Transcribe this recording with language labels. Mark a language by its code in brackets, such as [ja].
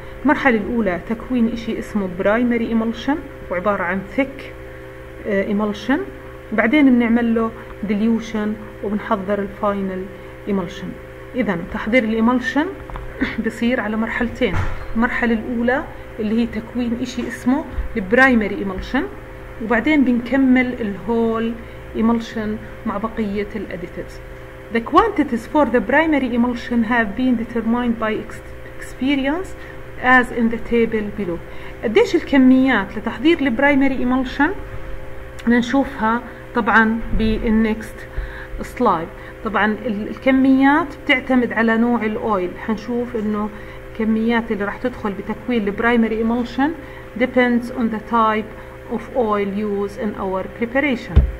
[ar] المرحلة الأولى تكوين إشي اسمه برايمري إيمولشن، وعبارة عن ثيك إيمولشن، بعدين بنعمل له ديليوشن وبنحضر الفاينل إيمولشن. إذا تحضير الإيمولشن بصير على مرحلتين، المرحلة الأولى اللي هي تكوين إشي اسمه البرايمري إيمولشن، وبعدين بنكمل الهول إيمولشن مع بقية الأديتز. [en] The quantities for the primary emulsion have been determined by experience as in the table below. [ar] قديش الكميات لتحضير البرايمري emulsion نشوفها طبعا بال next slide. طبعا الكميات بتعتمد على نوع الاويل، حنشوف انه الكميات اللي راح تدخل بتكوين البرايمري emulsion [en] depends on the type of oil used in our preparation.